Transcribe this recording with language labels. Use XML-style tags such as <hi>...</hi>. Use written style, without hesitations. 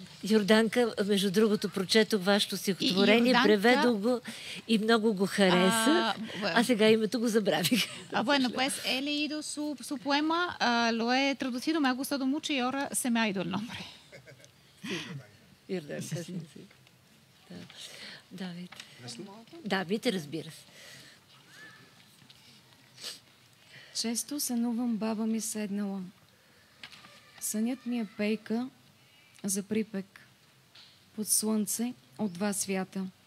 <bg>Йорданка, между другото, прочетох вашето стихотворение, преведох го и много го хареса. А сега името го забравих.</bg> <es>Bueno, pues he leído su poema, lo he traducido, me ha gustado mucho y ahora se me ha ido el nombre. Йорданка, sí.</es> <bg>David. Давид, разбира се. Често сънувам баба ми седнала. Сънят ми е пейка за припек под слънце от два свята.</bg>